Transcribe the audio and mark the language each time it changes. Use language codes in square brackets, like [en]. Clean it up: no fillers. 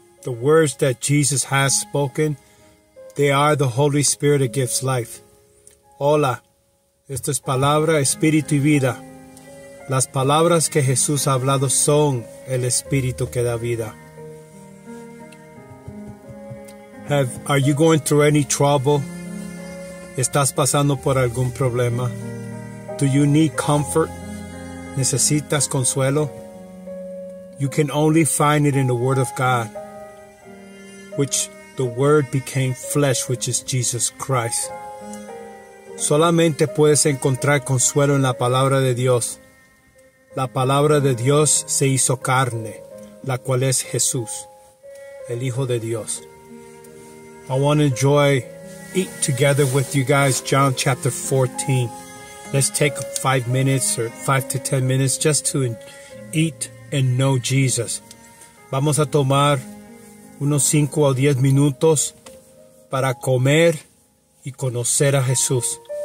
[en] The words that Jesus has spoken, they are the Holy Spirit that gives life. [es] Hola, esta es palabra, espíritu y vida. Las palabras que Jesús ha hablado son el espíritu que da vida. [en] Are you going through any trouble? [es] ¿Estás pasando por algún problema? [en] Do you need comfort? [es] ¿Necesitas consuelo? [en] You can only find it in the Word of God, which the Word became flesh, which is Jesus Christ. [es] Solamente puedes encontrar consuelo en la Palabra de Dios. La Palabra de Dios se hizo carne, la cual es Jesús, el Hijo de Dios. [en] I want to enjoy eat together with you guys, John chapter 14. Let's take 5 minutes or 5 to 10 minutes just to eat and know Jesus. [es] Vamos a tomar unos 5 o 10 minutos para comer y conocer a Jesús.